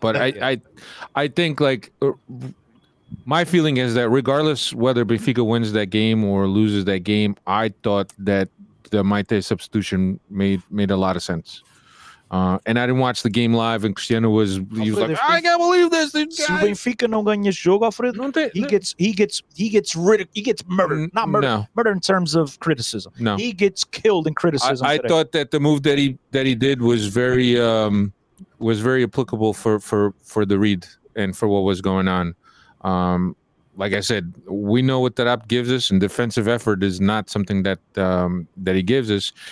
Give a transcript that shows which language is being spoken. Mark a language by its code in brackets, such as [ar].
[en] But I think, like, my feeling is that regardless whether Benfica wins that game or loses that game, I thought that the Maite substitution made a lot of sense. And I didn't watch the game live, and Cristiano was like, I can't believe this. [pt] Se Benfica não ganha jogo, Alfredo, [en] he gets murdered. He gets murdered. Not murdered. No. Murdered in terms of criticism. No. He gets killed in criticism. I thought that the move that he did was very applicable for the read and for what was going on. like I said, we know what that app gives us, and defensive effort is not something that that he gives us.